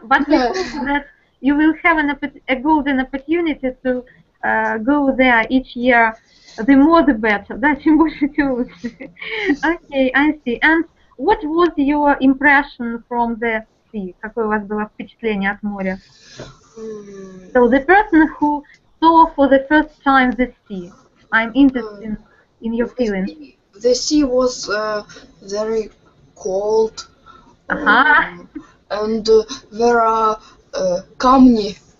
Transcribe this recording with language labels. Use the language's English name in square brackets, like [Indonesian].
[English] But we hope that you will have a golden opportunity to go there each year. The more the better, да? [Russian] Чем больше, тем лучше. [English] Okay, I see. And what was your impression from the sea? [Russian] Какое у вас было впечатление от моря? [English] So the person who saw for the first time the sea, I'm interested in your feelings. The sea was very cold, and there are камни.